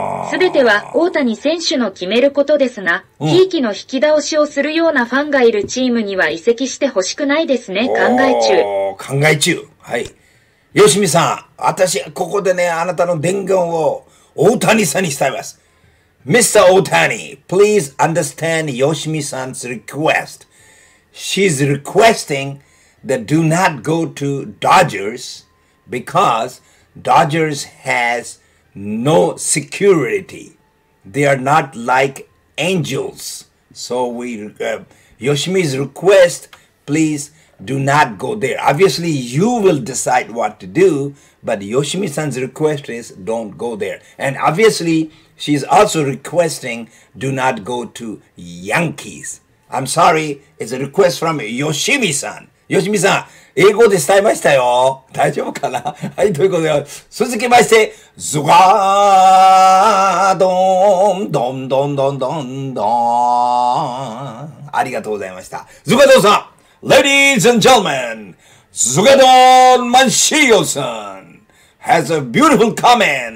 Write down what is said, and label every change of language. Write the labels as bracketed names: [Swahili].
[Japanese] すべては大谷選手の決めることですが、ひいきの引き倒しをするようなファンがいるチームには移籍してほしくないですね。考え中。考え中。はい。よしみさん、私はここでね、あなたの伝言を大谷さんに伝えます。 [English] Mr. 大谷、Please understand よしみさん's request. She's requesting that do not go to Dodgers because Dodgers has no security. They are not like angels. So we, よしみ's request, please,Do not go there. Obviously, you will decide what to do, but Yoshimi-san's request is don't go there. And obviously, she's also requesting do not go to Yankees. I'm sorry, it's a request from Yoshimi-san. [Japanese] Yoshimi-san, 英語で伝えましたよ。大丈夫かな？はい、ということで、続きまして、ズガードン、ドンドンドンドンドン。ありがとうございました。 [English] ズガードンさん。Ladies and gentlemen, Zugadon Manchio-san has a beautiful comment.